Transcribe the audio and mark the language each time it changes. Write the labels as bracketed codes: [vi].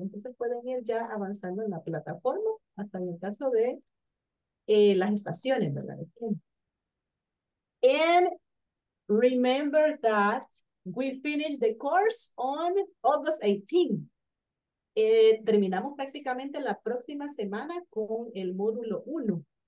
[es] Entonces pueden ir ya avanzando en la plataforma, hasta en el caso de las estaciones, ¿verdad? [en] And remember that we finished the course on August 18. [es] Terminamos prácticamente la próxima semana con el módulo 1.